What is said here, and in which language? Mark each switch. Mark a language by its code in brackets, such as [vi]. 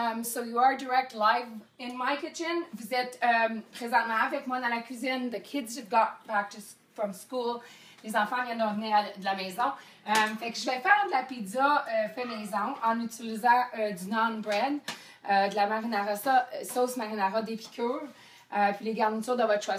[en] So you are direct live in my kitchen. [fr] Vous êtes présentement avec moi dans la cuisine. [en] The kids have got back to from school. [fr] Les enfants viennent de revenir de la maison. Fait que je vais faire de la pizza fait maison en utilisant du non-bread, de la marinara sauce marinara d'épicure, puis les garnitures de votre choix.